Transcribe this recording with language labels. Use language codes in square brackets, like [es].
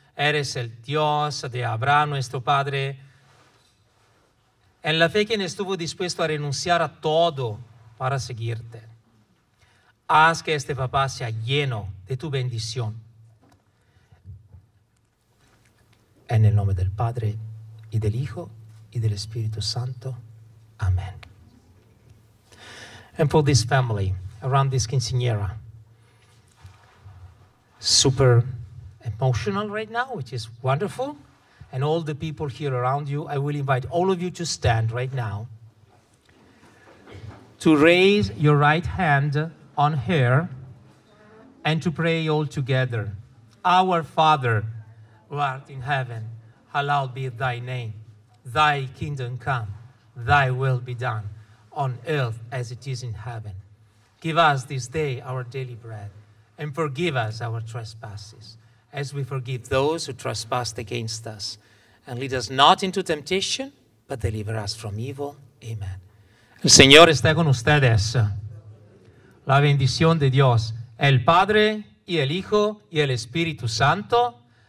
[es] Eres el Dios de Abraham, nuestro padre, en la fe quien estuvo dispuesto a renunciar a todo para seguirte. Haz que este papá sea lleno de tu bendición. En el nombre del Padre, y del Hijo, y del Espíritu Santo. Amén. [en] And for this family, around this quinceañera, super emotional right now, which is wonderful, and all the people here around you, I will invite all of you to stand right now to raise your right hand on her and to pray all together. Our Father, who art in heaven, hallowed be thy name. Thy kingdom come, thy will be done on earth as it is in heaven. Give us this day our daily bread, and forgive us our trespasses, as we forgive those who trespass against us. And lead us not into temptation, but deliver us from evil. [es] Amen. El Señor esté con ustedes. La bendición de Dios, el Padre, y el Hijo, y el Espíritu Santo.